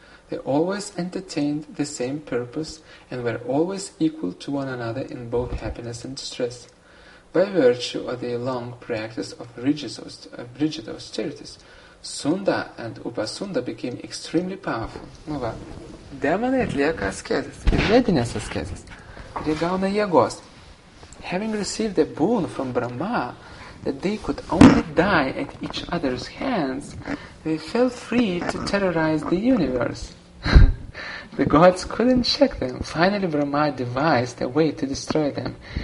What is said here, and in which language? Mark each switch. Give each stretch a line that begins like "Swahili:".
English: They always entertained the same purpose and were always equal to one another in both happiness and distress. By virtue of the long practice of rigid austerities, Sunda and Upasunda became extremely powerful."
Lithuanian: Nu va, demonai atlieka askezės, vedinės askezės, jie gauna jėgos.
English: Having received a boon from Brahma that they could only die at each other's hands, they felt free to terrorize the universe. The gods couldn't check them. Finally, Brahma devised a way to destroy them.